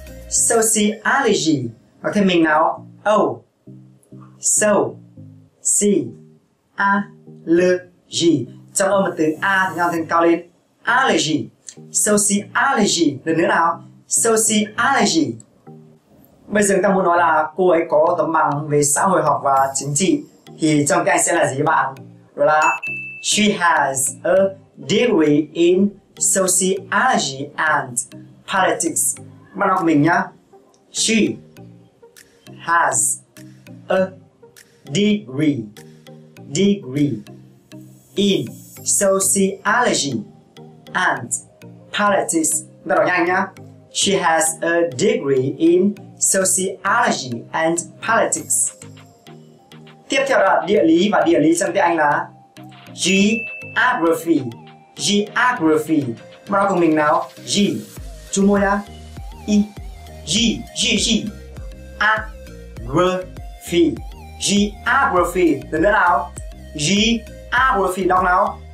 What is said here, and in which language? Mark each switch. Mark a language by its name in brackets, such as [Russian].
[Vietnamese] Sociology. Đọc thêm mình nào. Sociology. Trong âm từ A ngang thêm cao lên. Allergy. Sociology. Lần nữa nào. [English] Sociology. [Vietnamese] Bây giờ ta muốn nói là cô ấy có tấm bằng về xã hội học và chính trị, thì trong tiếng Anh sẽ là gì bạn? Đó là [English] She has a degree in sociology and politics. [Vietnamese] Bạn đọc mình nhá. [English] She has a degree in sociology and politics. [Vietnamese] Bạn đọc nhanh nhá. [English] She has a degree in sociology and politics. [Vietnamese] Tiếp theo là địa lý, và địa lý trong tiếng Anh là geography. Geography. Bạn đọc cùng mình nào. G. Chú môi nhá. I. [English] G. Geography. [Vietnamese] Geography. Lần nữa nào. Geography. Đọc nào.